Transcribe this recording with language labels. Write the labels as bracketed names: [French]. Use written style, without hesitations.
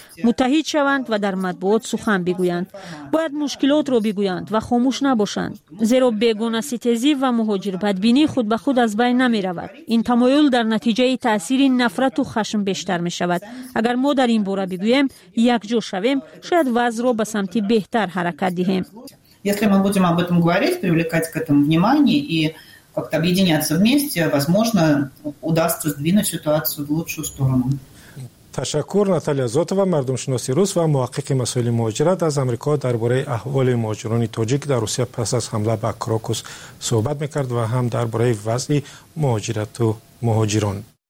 [Persian] متحد شوند و در مطبوعات سخن بگویند. باید مشکلات را بگویند و خاموش نباشند. زیرا بیگانه ستیزی و مهاجر بدبینی خود به خود از بین نمی رود. این تمایل در نتیجه تأثیر نفرت و خشم بیشتر می شود. اگر ما در این باره بگوییم یک جا شویم، شاید وضع را به سمت بهتر حرکت دهیم. [Russian] Если мы будем об этом говорить, привлекать к этому внимание и как-то объединяться вместе, возможно, удастся сдвинуть ситуацию в лучшую сторону. [Persian] تشکر ناتالیا زوتوا، مردم شناسی روس و محقق مسائل مهاجرت، از امریکا درباره احوال مهاجران تاجیک در روسیه پس از حمله به کراکوس صحبت میکرد و هم درباره وضع مهاجرت و مهاجران.